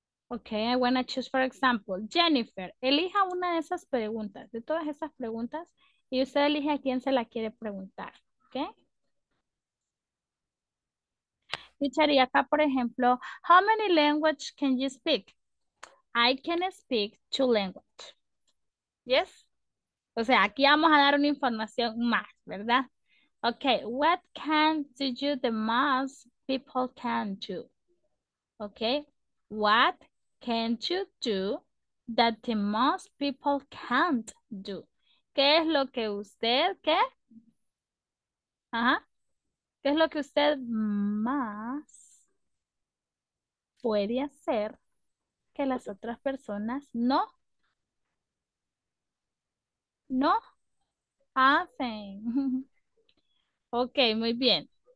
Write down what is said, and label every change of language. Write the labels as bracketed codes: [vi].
[en] Okay, I want to choose, for example, Jennifer. [es] Elija una de esas preguntas, de todas esas preguntas, y usted elige a quién se la quiere preguntar. Okay? [en] Teacher, [es] y acá, por ejemplo, [en] how many languages can you speak? I can speak 2 languages. Yes? [es] O sea, aquí vamos a dar una información más, ¿verdad? [en] Okay, what can you the most people can do? Okay, what can you do that the most people can't do? [es] ¿Qué es lo que usted, qué? Ajá. ¿Qué es lo que usted más puede hacer que las otras personas no? No hacen. Ok, muy bien.